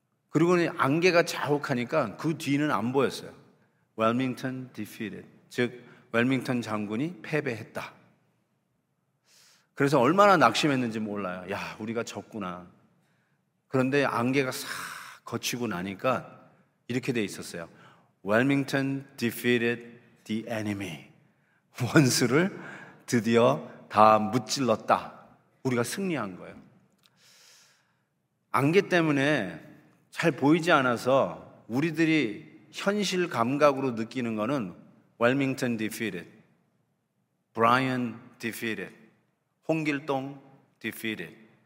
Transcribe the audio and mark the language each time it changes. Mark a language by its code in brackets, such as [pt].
[ko] 그리고는 안개가 자욱하니까 그 뒤는 안 보였어요. [en] Wilmington defeated. [ko] 즉, 웰밍턴 장군이 패배했다. 그래서 얼마나 낙심했는지 몰라요. 야, 우리가 졌구나. 그런데 안개가 싹 걷히고 나니까 이렇게 돼 있었어요. [en] Wilmington defeated the enemy. [ko] 원수를 드디어 다 무찔렀다. 우리가 승리한 거예요. 안개 때문에 잘 보이지 않아서 우리들이 현실 감각으로 느끼는 거는 [en] Wilmington defeated, Bryan defeated, 홍길동 defeated.